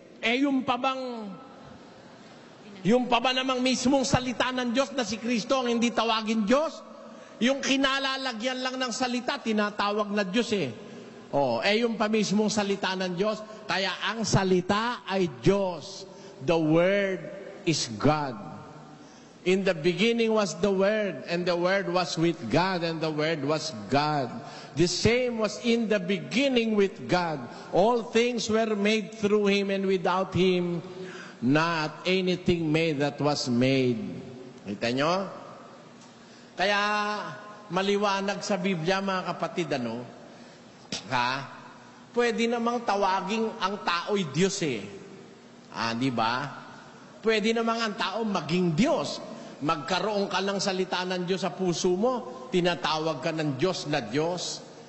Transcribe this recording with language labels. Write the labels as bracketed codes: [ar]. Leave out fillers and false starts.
[tl] Eh yung pa ba namang mismong salita ng Diyos na si Kristo ang hindi tawagin Diyos? Yung kinalalagyan lang ng salita, tinatawag na Diyos eh. Oh, eh yung pa mismong salita ng Diyos, kaya ang salita ay Diyos. [en] The Word is God. In the beginning was the Word, and the Word was with God, and the Word was God. The same was in the beginning with God. All things were made through Him, and without Him, not anything made that was made. [tl] Kita nyo? Kaya maliwanag sa Biblia, mga kapatid, ano? Ha? Pwede namang tawaging ang tao'y Diyos eh. Ah, di ba? Pwede namang ang tao maging Diyos. Magkaroon ka ng salita ng Diyos sa puso mo, tinatawag ka ng Diyos na Diyos.